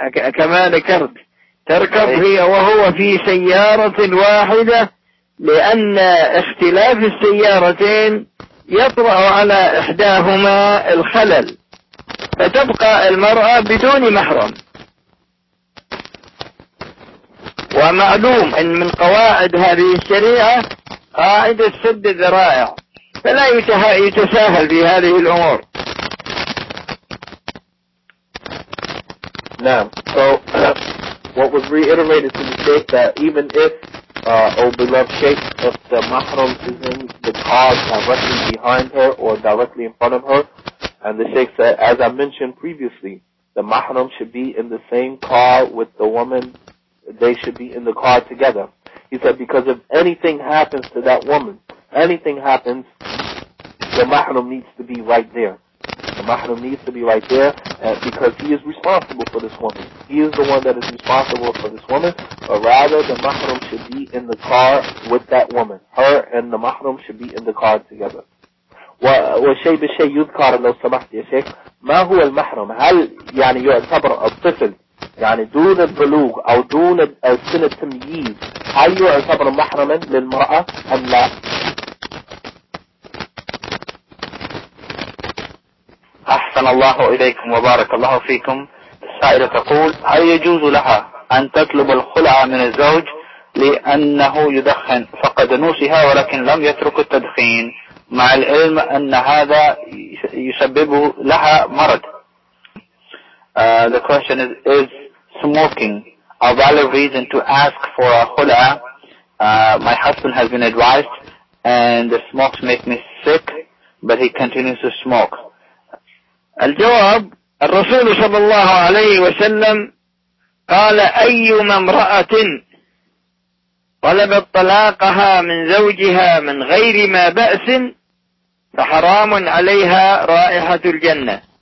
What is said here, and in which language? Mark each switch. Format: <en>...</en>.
<ar>كما ذكرت تركب هي وهو في سيارة واحدة, لأن اختلاف السيارتين يطرأ على إحداهما الخلل فتبقى المرأة بدون محرم. ومعلوم أن من قواعد هذه الشريعة قاعدة سد الذرائع، فلا يتساهل بهذه الأمور.</ar> <en>Now, so what was reiterated to the Sheikh that even if, oh beloved Sheikh, if the mahram is in the car directly behind her or directly in front of her, and the Sheikh said, as I mentioned previously, the mahram should be in the same car with the woman, they should be in the car together. He said, because if anything happens to that woman, anything happens, the mahram needs to be right there. The mahram needs to be right there because he is responsible for this woman. He is the one that is responsible for this woman. Or rather, the mahram should be in the car with that woman. Her and the mahram should be in the car together.</en> <ar>وشيء بشيء يذكر لو سمحت يا شيخ، ما هو المحرم؟ هل يعني يعتبر الطفل يعني دون البلوغ أو دون سن التمييز، هل يعتبر محرما للمرأة أم لا؟ أحسن الله إليكم وبارك الله فيكم. السائلة تقول، هل يجوز لها أن تطلب الخلع من الزوج لأنه يدخن فقد نوسها ولكن لم يترك التدخين، مع العلم أن هذا يسبب لها مرض؟</ar> <en>The question is smoking a valid reason to ask for a khula? My husband has been advised and the smokes make me sick, but he continues to smoke.</en> <ar>الجواب، الرسول صلى الله عليه وسلم قال أيما امرأة طلبت طلاقها من زوجها من غير ما بأس فحرام عليها رائحة الجنة.</ar>